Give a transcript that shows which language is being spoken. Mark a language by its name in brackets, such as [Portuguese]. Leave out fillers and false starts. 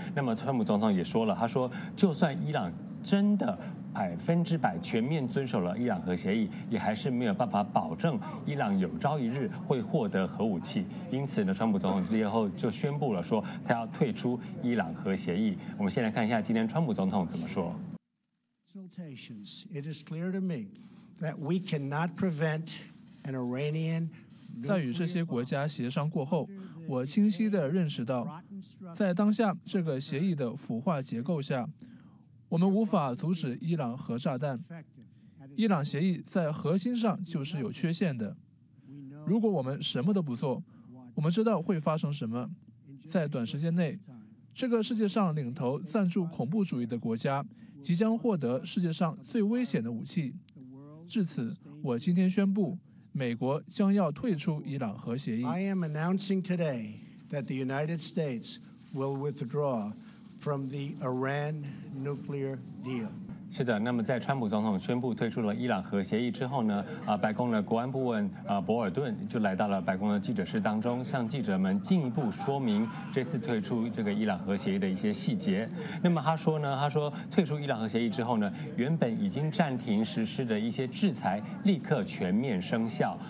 [Chinese] 那么川普总统也说了，他说就算伊朗真的100%全面遵守了伊朗核协议，也还是没有办法保证伊朗有朝一日会获得核武器。因此呢，川普总统之后就宣布了说他要退出伊朗核协议。我们先来看一下今天川普总统怎么说。 [English] It is clear to me that we cannot prevent an Iranian. [Chinese] 在与这些国家协商过后，我清晰地认识到，在当下这个协议的腐化结构下，我们无法阻止伊朗核炸弹。伊朗协议在核心上就是有缺陷的。如果我们什么都不做，我们知道会发生什么。在短时间内，这个世界上领头赞助恐怖主义的国家即将获得世界上最危险的武器。至此，我今天宣布，美国将要退出伊朗核协议。 [English] I am announcing today that the United States will withdraw from the Iran nuclear deal. [Chinese] 是的，那么在川普总统宣布退出了伊朗核协议之后呢，白宫的国安顾问博尔顿就来到了白宫的记者室当中，向记者们进一步说明这次退出这个伊朗核协议的一些细节。那么他说退出伊朗核协议之后呢，原本已经暂停实施的一些制裁立刻全面生效。